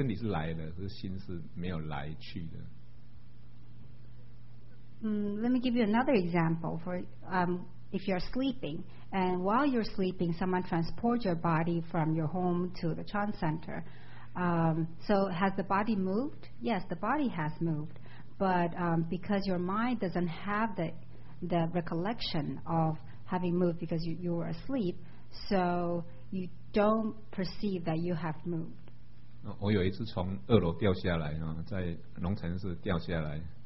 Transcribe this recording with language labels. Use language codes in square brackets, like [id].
[zh] 譬如说有人在你睡觉的时候把你家从你家把你载过来这边，那醒来以后，哎，结果怎么在这边？你身体有没有动？有啊，你从那个地方跑过来呀。可是你的心并没有这段记忆啊。可是你人是来的，所以其实心是没有来，身体是来的，可是心是没有来去的。 [en] Let me give you another example. If you're sleeping, and while you're sleeping, someone transports your body from your home to the Chan Center. So has the body moved? Yes, the body has moved. But because your mind doesn't have the recollection of having moved because you were asleep, so you don't perceive that you have moved. [zh] 我有一次从二楼掉下来，在龙城市掉下来。